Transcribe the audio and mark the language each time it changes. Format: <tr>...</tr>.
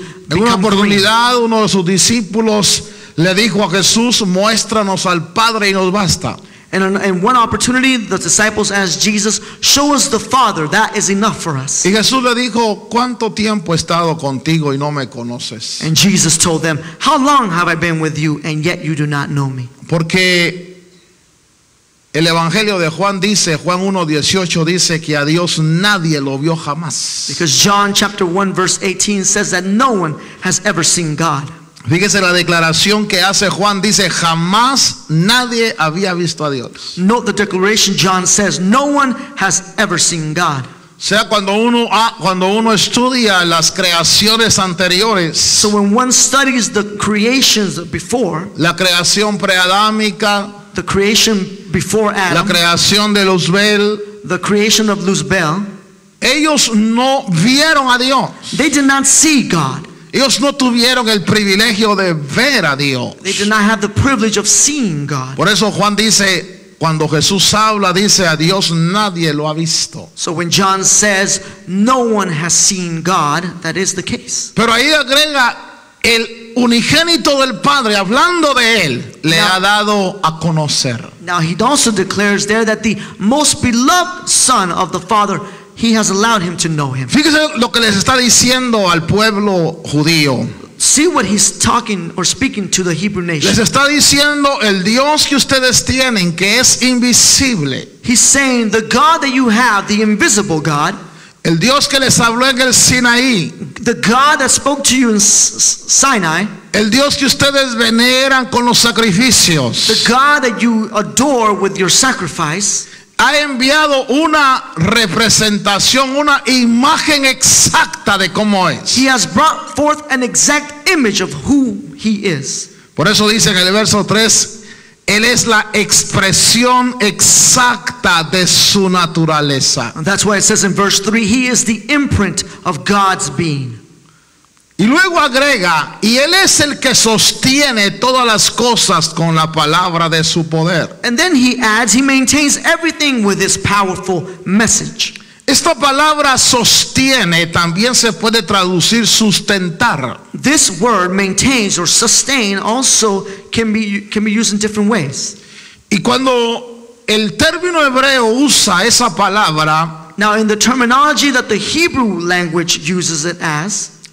<en>become green.</en> <es>En una oportunidad, uno de sus discípulos le dijo a Jesús, muéstranos al Padre y nos basta.</es> <en>And in one opportunity, the disciples asked Jesus, show us the Father, that is enough for us.</en> <es>Y Jesús le dijo, ¿cuánto tiempo he estado contigo y no me conoces?</es> <en>And Jesus told them, how long have I been with you and yet you do not know me?</en> <es>Porque el Evangelio de Juan dice, Juan 1:18 dice que a Dios nadie lo vio jamás.</es> <en>Because John chapter 1 verse 18 says that no one has ever seen God.</en> <es>Fíjese la declaración que hace Juan, dice, jamás nadie había visto a Dios.</es> <en>Note the declaration John says, no one has ever seen God.</en> <es>O sea, cuando uno estudia las creaciones anteriores.</es> <en>So when one studies the creations before.</en> <es>La creación preadámica.</es> <en>The creation before Adam.</en> <es>La creación de Luzbel.</es> <en>the creation of Luzbel,</en> <es>ellos no vieron a Dios.</es> <en>They did not see God.</en> <es>Ellos no tuvieron el privilegio de ver a Dios.</es> <en>They did not have the privilege of seeing God.</en> <es>Por eso Juan dice, cuando Jesús habla, dice, a Dios nadie lo ha visto.</es> <en>So when John says, no one has seen God, that is the case.</en> <es>Pero ahí agrega, el unigénito del Padre, hablando de él, le ha dado a conocer.</es> <en>Now he also declares there that the most beloved son of the Father, he has allowed him to know him.</en> <es>Fíjese lo que les está diciendo al pueblo judío.</es> <en>See what he's talking or speaking to the Hebrew nation.</en> <es>Les está diciendo el Dios que ustedes tienen, que es invisible.</es> <en>He's saying the God that you have, the invisible God.</en> <es>El Dios que les habló en el Sinaí.</es> <en>The God that spoke to you in Sinai.</en> <es>El Dios que ustedes veneran con los sacrificios.</es> <en>The God that you adore with your sacrifice.</en> <es>Ha enviado una representación, una imagen exacta de cómo es.</es> <en>He has brought forth an exact image of who he is.</en> <es>Por eso dice en el verso 3, él es la expresión exacta de su naturaleza.</es> <en>And that's why it says in verse 3, he is the imprint of God's being.</en> <es>Y luego agrega, y él es el que sostiene todas las cosas con la palabra de su poder.</es> <en>And then he adds, he maintains everything with his powerful message.</en> <es>Esta palabra sostiene también se puede traducir sustentar.</es> <en>This word maintains or sustain also can be used in different ways.</en> <es>Y cuando el término hebreo usa esa palabra,</es> <en>now in the terminology that the Hebrew language uses it as,</en>